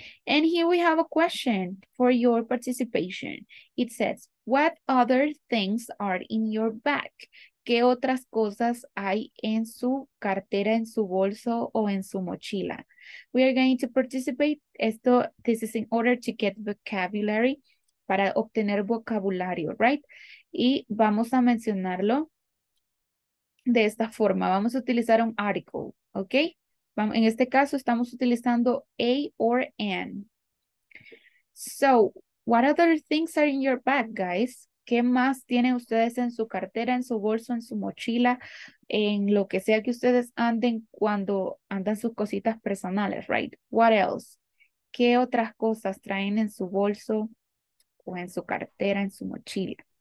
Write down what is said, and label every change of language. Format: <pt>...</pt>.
<en>And here we have a question for your participation. It says, what other things are in your bag?</en> <es>¿Qué otras cosas hay en su cartera, en su bolso o en su mochila?</es> <en>We are going to participate.</en> <es>Esto,</es> <en>this is in order to get vocabulary,</en> <es>para obtener vocabulario,</es> <en>right?</en> <es>Y vamos a mencionarlo de esta forma. Vamos a utilizar un article,</es> <en>okay?</en> <es>En este caso, estamos utilizando</es> <en>a or an. So, what other things are in your bag, guys?</en> <es>¿Qué más tienen ustedes en su cartera, en su bolso, en su mochila, en lo que sea que ustedes anden cuando andan sus cositas personales,</es> <en>right? What else?</en> <es>¿Qué otras cosas traen en su bolso o en su cartera, en su mochila?</es>